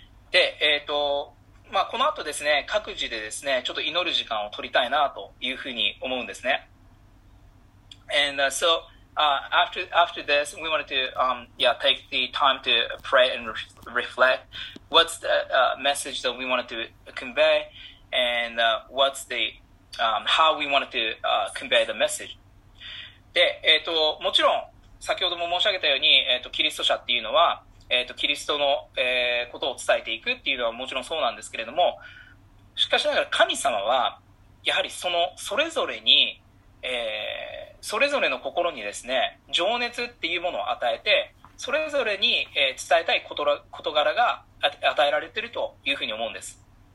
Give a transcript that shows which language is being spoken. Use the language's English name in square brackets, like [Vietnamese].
[Japanese] で、まあ、この後ですね、各自でですね、ちょっと祈る時間を取りたいなというふうに思うんですね。 [English] And after this, we wanted to take the time to pray and reflect. What's the message that we wanted to convey, and what's the how we wanted to convey the message. [Japanese] で、もちろん先ほども申し上げたように、キリスト者っていうのは、キリストの、ことを伝えていくっていうのはもちろんそうなんですけれども、しかしながら神様は、やはりその、それぞれに、それぞれの心にですね、情熱っていうものを与えて、それぞれに、伝えたい事柄が与えられているというふうに思うんです。